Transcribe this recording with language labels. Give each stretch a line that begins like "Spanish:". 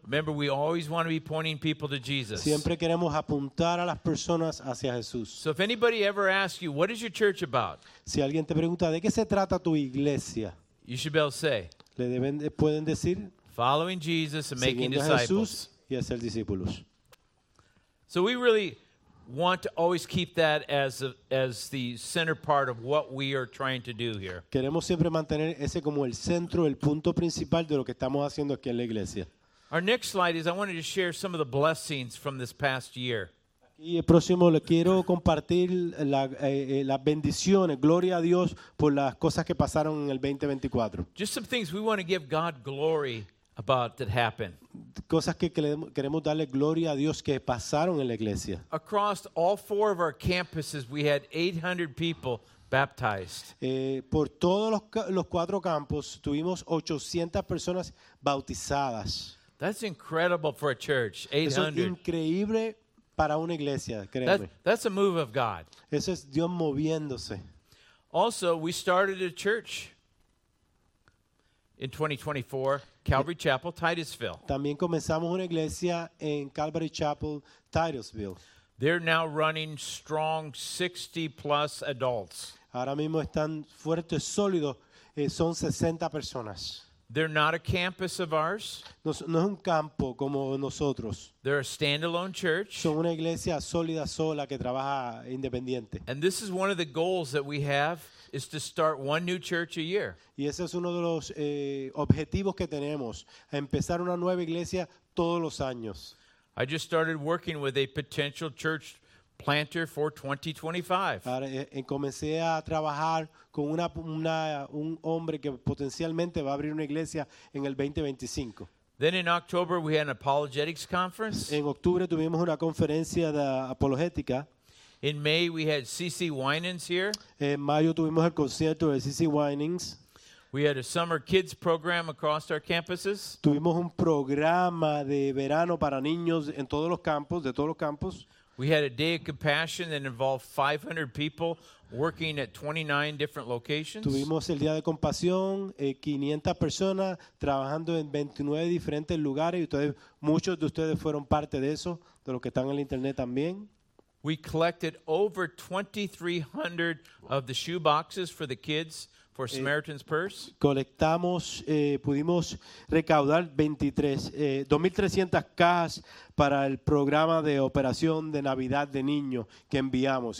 English: Remember, we always want to be pointing people to Jesus.
Spanish: Siempre queremos apuntar a las personas hacia Jesús.
English: So if anybody ever asks you, what is your church about?
Spanish: Si alguien te pregunta, ¿de qué se trata tu iglesia?
English: You should be able to say.
Spanish: Le deben, pueden decir.
English: Following Jesus and making disciples.
Spanish: Siguiendo a Jesús y hacer discípulos.
English: So we really want to always keep that as the center part of what we are trying to do here.
Spanish: Queremos siempre mantener ese como el centro, el punto principal de lo que estamos haciendo aquí en la iglesia.
English: Our next slide is I wanted to share some of the blessings from this past year.
Spanish: Y el próximo le quiero compartir las bendiciones, gloria a Dios por las cosas que pasaron en el 2024.
English: Just some things we want to give God glory about that happened.
Spanish: Cosas que queremos darle gloria a Dios que pasaron en la iglesia.
English: Across all four of our campuses, we had 800 people baptized.
Spanish: Por todos los cuatro campos, tuvimos 800 personas bautizadas.
English: That's incredible for a church, 800.
Spanish: Eso es increíble para una iglesia, créeme.
English: That's a move of God.
Spanish: Eso es Dios moviéndose.
English: Also, we started a church in 2024. Calvary Chapel, Titusville.
Spanish: También comenzamos una iglesia en Calvary Chapel, Titusville.
English: They're now running strong 60 plus adults.
Spanish: Ahora mismo están fuertes, sólidos, son 60 personas.
English: They're not a campus of ours.
Spanish: No es un campo como nosotros.
English: They're a standalone church.
Spanish: Son una iglesia sólida sola que trabaja independiente.
English: And this is one of the goals that we have, is to start one new church a year.
Spanish: Y ese es uno de los objetivos que tenemos, empezar una nueva iglesia todos los años.
English: I just started working with a potential church planter for 2025.
Spanish: Ahora comencé a trabajar con un hombre que potencialmente va a abrir una iglesia en el 2025.
English: Then in October we had an apologetics conference.
Spanish: En octubre tuvimos una conferencia de apologética.
English: In May we had CC Winans here.
Spanish: En mayo tuvimos el concierto de CC Winans.
English: We had a summer kids program across our campuses.
Spanish: Tuvimos un programa de verano para niños en todos los campos, de todos los campos.
English: We had a day of compassion that involved 500 people working at 29 different locations.
Spanish: Tuvimos el día de compasión, 500 personas trabajando en 29 diferentes lugares, y ustedes, muchos de ustedes fueron parte de eso, de los que están en el internet también.
English: We collected over 2,300 of the shoe boxes for the kids for Samaritan's Purse.
Spanish: Pudimos recaudar 2,300 cajas para el programa de operación de Navidad de niños que enviamos.